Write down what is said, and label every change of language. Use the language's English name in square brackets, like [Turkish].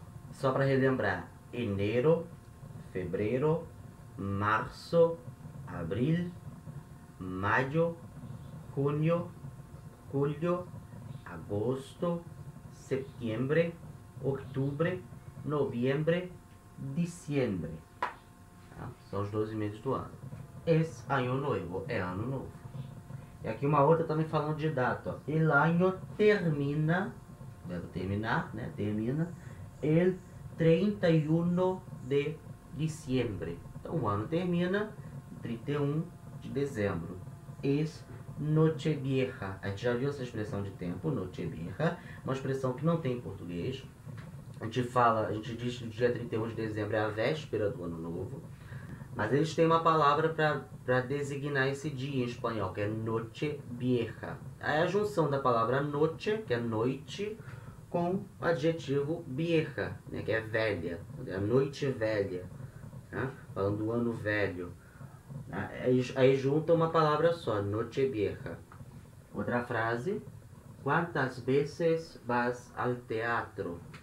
[Portuguese] Só para relembrar, [Spanish] enero, febrero, [Portuguese] março, abril, maio, junho, julho, agosto, setembro, outubro, novembro, dezembro. São os 12 meses do ano. [Spanish] Es año nuevo, [Portuguese] é ano novo. E aqui uma outra também falando de data, ó. [Spanish] El año termina, [Portuguese] deve terminar, né? [Spanish] Termina el 31 de diciembre. [Portuguese] Então o ano termina 31 de dezembro. [Spanish] Es noche vieja. [Portuguese] A gente já viu essa expressão de tempo, noche vieja, uma expressão que não tem em português. A gente fala, a gente diz que dia 31 de dezembro é a véspera do ano novo. Mas eles têm uma palavra para designar esse dia em espanhol, que é noche vieja. É a junção da palavra noche, que é noite, com o adjetivo vieja, né, que é velha. É noite velha, né, falando do ano velho. Aí junta uma palavra só, noche vieja. Outra frase, [Spanish] ¿cuántas veces vas al teatro?